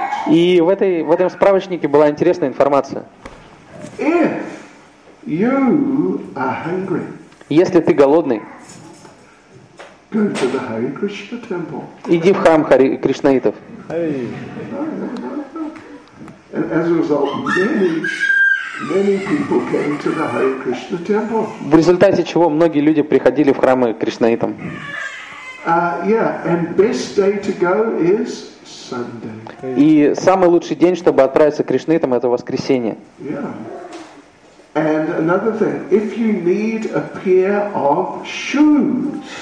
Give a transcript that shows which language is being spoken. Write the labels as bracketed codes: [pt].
[ru] И в этом справочнике была интересная информация. Если ты голодный, иди в храм Кришнаитов. [en] And as a result, many people came to the Hare Krishna temple. [ru] В результате чего многие люди приходили в храмы Кришнаитам. [en] And best day to go is Sunday. [ru] И самый лучший день, чтобы отправиться к Кришнаитам, это воскресенье. [en] Yeah. And another thing, if you need a pair of shoes.